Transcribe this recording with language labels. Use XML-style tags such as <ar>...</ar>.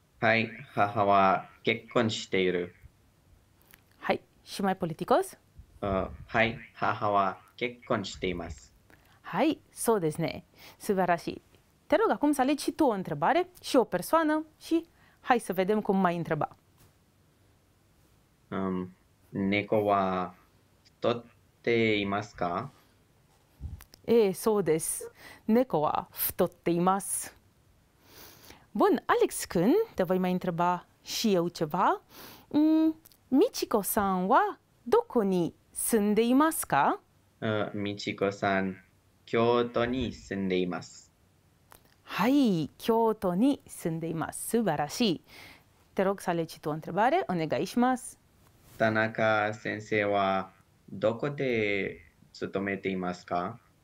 <ja>はい、母は結婚している。</ja> <ro>Hai, și mai politicos?</ro> <ja>はい、母は結婚しています。 Hai, so desu ne. Subarashii.</ja> <ro>Te rog acum să alegi și tu o întrebare și o persoană și hai să vedem cum m-ai întreba.</ro> <ja>猫は太っていますか？ E, so desu. Neko wa futotte imasu.</ja> <ro>Bun, Alex, când te voi mai întreba și eu ceva,</ro> <ja>Michiko-san wa doko ni sunde imasu ka? Michiko-san, 京都に住んでいます。はい、京都に住んでいます。素晴らしい。テロクサレチとアンテバレ、お願いします。田中先生はどこで勤めていますか？</ja>